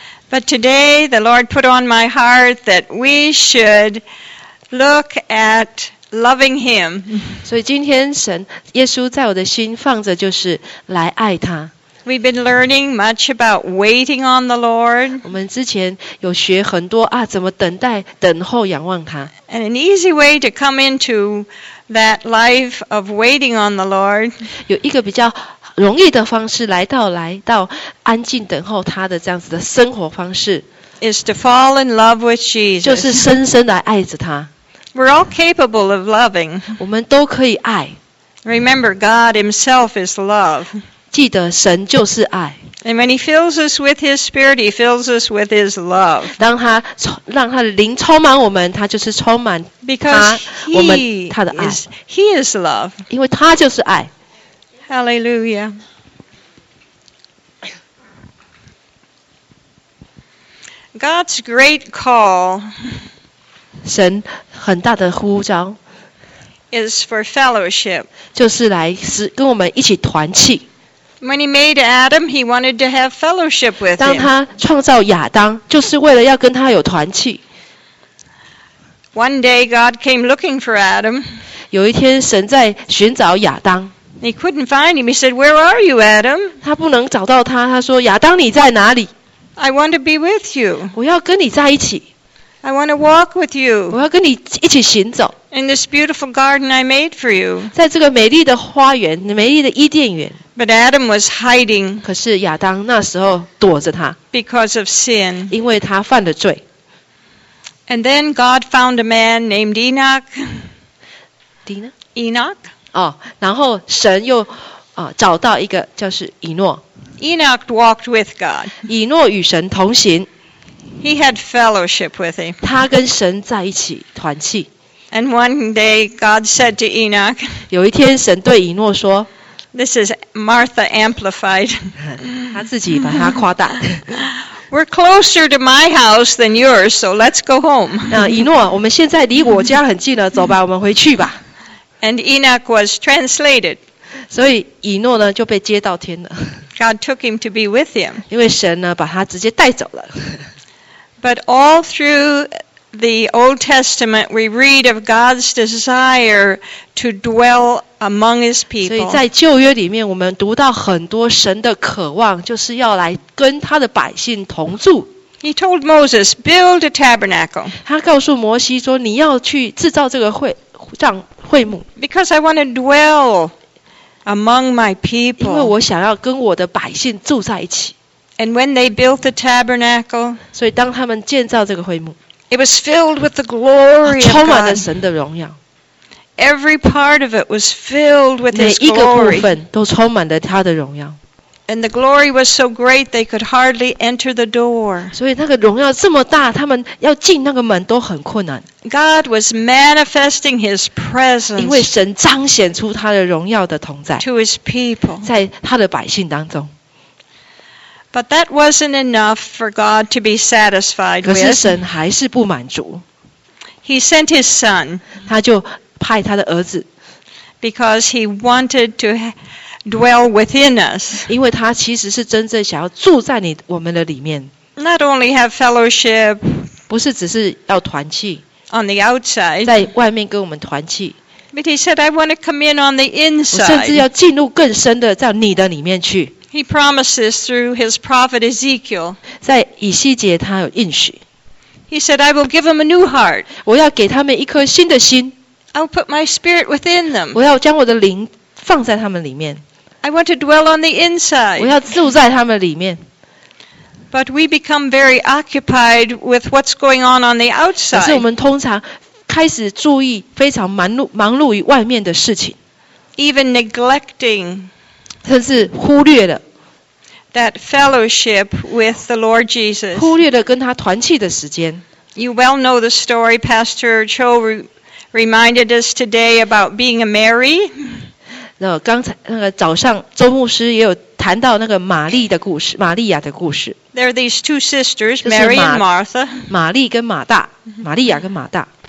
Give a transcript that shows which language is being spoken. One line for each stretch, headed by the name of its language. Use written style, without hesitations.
English: But today the Lord put on my heart that we should look at loving Him.
Chinese: 所以今天神耶稣在我的心放着就是来爱他。
English: We've been learning much about waiting on the Lord.
Chinese: 我们之前有学很多啊，怎么等待、等候、仰望他。
English: And an easy way to come into that life of waiting on the Lord.
Chinese: 有一个比较容易的方式来到安静等候他的这样子的生活方式。
English: Is to fall in love with Jesus.
Chinese: 就是深深地爱着他。
English: We're all capable of loving.
Chinese: 我们都可以爱。
English: Remember, God Himself is love.
Chinese: 记得神就是爱。
English: And when He fills us with His Spirit, He fills us with His love.
Chinese: 让他的灵充满我们，他就是充满他。
English: Because He is love.
Chinese: 因为他就是爱。
English: Hallelujah. God's great call
Chinese: 神很大的呼召
English: is for fellowship.
Chinese: 就是来跟我们一起团契。
English: When he made Adam, he wanted to have fellowship with him.
Chinese: 当他创造亚当，就是为了要跟他有团契。
English: One day God came looking for Adam.
Chinese: 有一天神在寻找亚当。
English: He couldn't find him. He said, "Where are you, Adam?"
Chinese: 他不能找到他。他说：“亚当，你在哪里？”
English: I want to be with you.
Chinese: 我要跟你在一起。
English: I want to walk with you.
Chinese: 我要跟你一起行走。
English: In this beautiful garden I made for you.
Chinese: 在这个美丽的花园，美丽的伊甸园。
English: But Adam was hiding.
Chinese: 可是亚当那时候躲着他。
English: Because of sin.
Chinese: 因为他犯了罪。
English: And then God found a man named Enoch. Enoch.
Chinese: 哦，然后神又找到一个就是以诺。
English: Enoch walked with God.
Chinese: 以诺与神同行。
English: He had fellowship with him.
Chinese: 他跟神在一起团契。
English: And one day God said to Enoch.
Chinese: 有一天神对以诺说。
English: This is Martha amplified.
Chinese: 他自己把他夸大。
English: We're closer to my house than yours, so let's go home.
Chinese: 那以诺，我们现在离我家很近了，走吧，我们回去吧。
English: And Enoch was translated.
Chinese: 所以以诺呢就被接到天了。
English: God took him to be with him.
Chinese: 因为神呢把他直接带走了。
English: But all through the Old Testament, we read of God's desire to dwell among His people.
Chinese: 所以在旧约里面，我们读到很多神的渴望，就是要来跟他的百姓同住。
English: He told Moses, "Build a tabernacle."
Chinese: 他告诉摩西说，你要去制造这个会帐。
English: Because I want to dwell among my people.
Chinese: 因为我想要跟我的百姓住在一起。
English: And when they built the tabernacle,
Chinese: 所以当他们建造这个会幕
English: it was filled with the glory of God.
Chinese: 充满了神的荣耀。
English: Every part of it was filled with His glory.
Chinese: 每一个部分都充满了他的荣耀。
English: And the glory was so great they could hardly enter the door.
Chinese: 所以那个荣耀这么大，他们要进那个门都很困难。
English: God was manifesting His presence.
Chinese: 因为神彰显出他的荣耀的同在。
English: To His people.
Chinese: 在他的百姓当中。
English: But that wasn't enough for God to be satisfied with.
Chinese: 可是神还是不满足。
English: He sent His Son.
Chinese: 他就派他的儿子。
English: Because He wanted to dwell within us.
Chinese: 因为他其实是真正想要住在你我们的里面。
English: Not only have fellowship.
Chinese: 不是只是要团契。
English: On the outside.
Chinese: 在外面跟我们团契。
English: But He said, I want to come in on the inside.
Chinese: 我甚至要进入更深的在你的里面去。
English: He promises through His prophet Ezekiel.
Chinese: 在以西结他有应许。
English: He said, I will give them a new heart.
Chinese: 我要给他们一颗新的心。
English: I'll put my spirit within them.
Chinese: 我要将我的灵放在他们里面。
English: I want to dwell on the inside.
Chinese: 我要住在他们里面。
English: But we become very occupied with what's going on the outside.
Chinese: 可是我们通常开始注意非常忙碌于外面的事情。
English: Even neglecting.
Chinese: 甚至忽略了。
English: That fellowship with the Lord Jesus.
Chinese: 忽略了跟他团契的时间。
English: You well know the story, Pastor Cho reminded us today about being a Mary.
Chinese: 那刚才那个早上，周牧师也有谈到那个玛丽的故事，玛利亚的故事。
English: There are these two sisters, Mary and Martha.
Chinese: 玛丽跟马大，玛利亚跟马大。